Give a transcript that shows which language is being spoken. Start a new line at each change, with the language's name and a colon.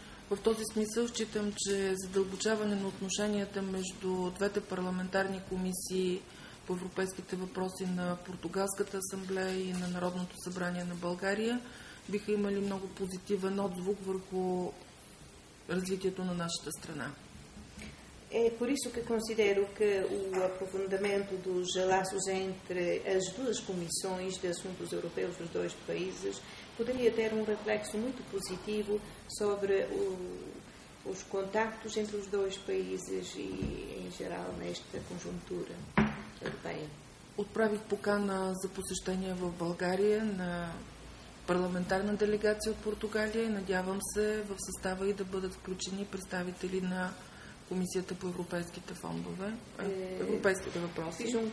Bulgarian: В този смисъл считам, че задълбочаване на отношенията между двете парламентарни комисии по европейските въпроси на Португалската асамблея и на Народното събрание на България биха имали много позитивен отзвук върху развитието на нашата страна.
Portuguese: É por isso que considero que o aprofundamento dos laços entre as duas comissões de assuntos europeus dos dois países poderia ter um reflexo muito positivo sobre os contactos entre os dois países e, em geral, nesta conjuntura europeia.
Bulgarian: Отправих покана за посещение в България на парламентарна делегация от Португалия и надявам се в състава и да бъдат включени представители на Комисията по европейските фондове, европейските въпроси.